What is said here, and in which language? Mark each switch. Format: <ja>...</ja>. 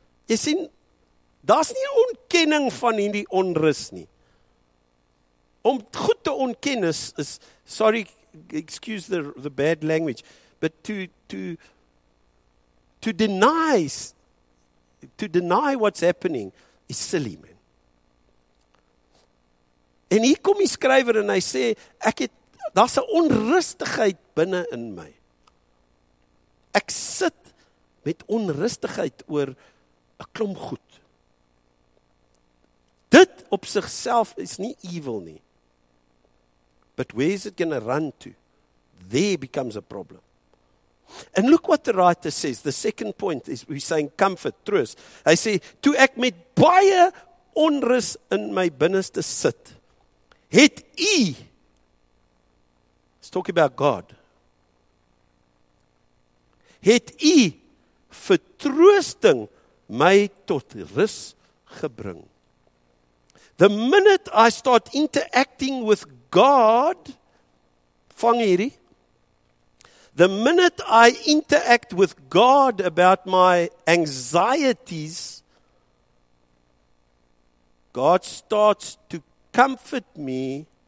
<af>Jy sien, daar's nie ontkenning van hierdie onrus nie. Om goed te ontken is</af> <en>sorry, excuse the bad language, but to deny what's happening is silly, man.</en> <af>En hier kom die skrywer en hy sê, ek het, daar's 'n onrustigheid binne in my. Ek sit met onrustigheid oor 'n klomp goed. Dit op sigself is nie evil nie.</af> <en>But where is it going to run to? There becomes a problem. And look what the writer says. The second point is, we're saying comfort, troos.</en> <af>Hy sê, toe ek met baie onrus in my binneste sit, het u,</af> <en>it's talking about God,</en> <af>het u vertroosting my tot rus gebring.</af> <en>The minute I start interacting with God,</en> <af>vang hierdie,</af> <en>the minute I interact with God about my anxieties, God starts to comfort me.</en>